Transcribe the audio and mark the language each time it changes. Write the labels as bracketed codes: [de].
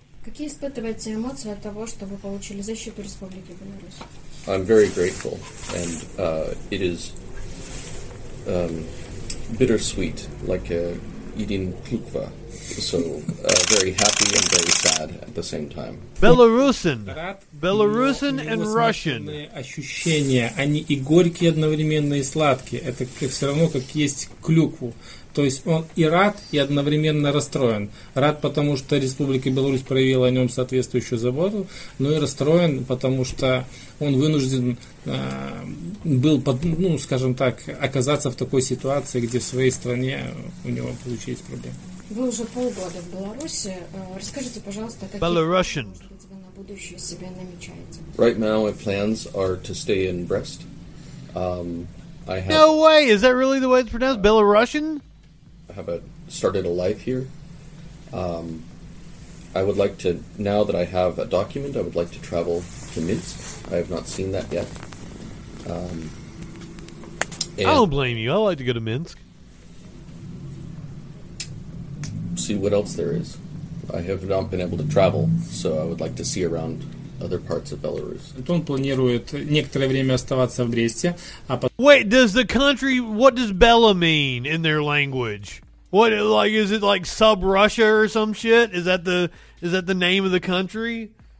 [ru] Какие испытываете эмоции от того, что вы получили защиту Республики Беларусь? [en] I'm very grateful, and it is bittersweet, like eating klukva. So very happy and very sad at the same time. Belarusian and Russian. [ru] Ощущения, они и горькие одновременно и сладкие. Это все равно как есть клюкву. То есть он и рад, и одновременно расстроен. Рад, потому что Республика Беларусь проявила о нем соответствующую заботу, но и расстроен, потому что он вынужден был, оказаться в такой ситуации, где в своей стране у него получились проблемы. Вы уже полгода в Беларуси. Расскажите, пожалуйста, какие [en] Belarusian. [ru] Вы на будущее себе намечаете? [en] Right now my plans are to stay in Brest. No way! Is that really the way it's pronounced? Belarusian? Have started a life here. I would like to, now that I have a document, I would like to travel to Minsk. I have not seen that yet. I don't blame you. I like to go to Minsk. See what else there is. I have not been able to travel, so I would like to see around other parts of Belarus. [ru] Он планирует некоторое время оставаться в Бресте, а потом... [en] Wait, does the country, what does Bella mean in their language? What, like, is it like sub-Russia or some shit? Is that the name of the country?